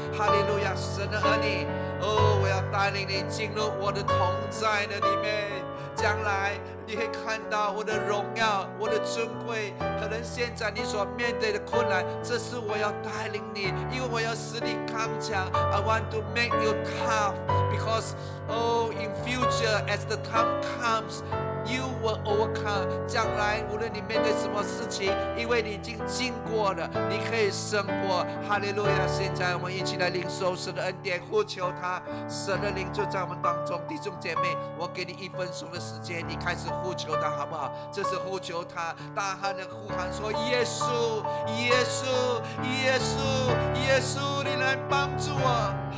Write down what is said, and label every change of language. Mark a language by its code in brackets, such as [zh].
[zh] 哈利路亚，神的儿女，哦，我要带领你进入我的同在的里面。将来你会看到我的荣耀，我的尊贵。可能现在你所面对的困难，这是我要带领你，因为我要使你刚强。 [en] I want to make you tough, because oh, in future as the time comes, you will overcome. [zh] 将来无论你面对什么事情，因为你已经经过了，你可以胜过。哈利路亚，现在我们一起来领受神的恩典，呼求他。神的灵就在我们当中。弟兄姐妹，我给你一分钟的时间，你开始呼求他好不好？这是呼求他，大喊的呼喊说：耶稣，耶稣，耶稣，耶稣，你来帮助我。